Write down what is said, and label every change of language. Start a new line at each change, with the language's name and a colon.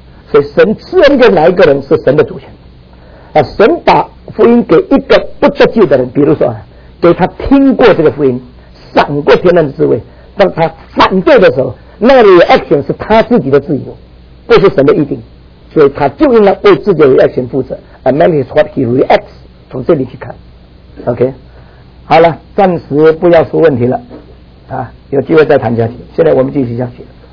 Chinese: 所以神赐恩给哪一个人是神的主权。啊，神把福音给一个不得救的人，比如说啊，给他听过这个福音，赏过天然的智慧。当他反对的时候，那个 reaction 是他自己的自由，不是神的预定，所以他就应该为自己的 reaction 负责。
English: A man is what he reacts，
Chinese: 从这里去看。 OK， 好了，暂时不要说问题了，啊，有机会再谈下去。现在我们继续下去。